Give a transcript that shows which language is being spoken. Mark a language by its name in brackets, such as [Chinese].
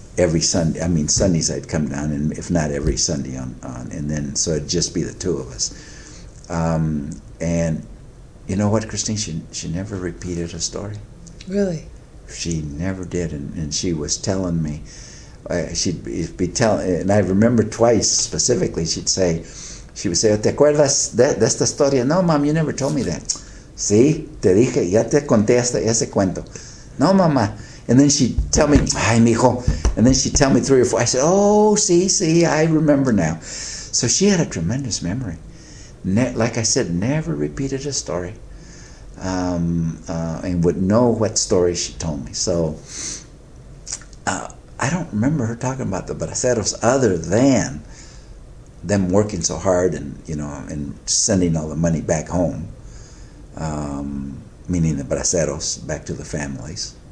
[English] Every Sunday, I mean Sundays, I'd come down, and if not every Sunday, and then so it'd just be the two of us. And you know what, Christine? She never repeated a story. Really? She never did, and she was telling me, she'd be telling, and I remember twice specifically. She would say, [Spanish] ¿Te acuerdas de esta historia? [English] No, Mom, you never told me that. [Spanish] Sí, te dije, ya te conté ese cuento. [English] No, Mama. And then she'd tell me, [Spanish] ay, mijo. [English] And then she'd tell me three or four. I said, oh, see, I remember now. So she had a tremendous memory. Like I said, never repeated a story. And would know what story she told me. So I don't remember her talking about the braceros other than them working so hard and, you know, and sending all the money back home, meaning the braceros back to the families.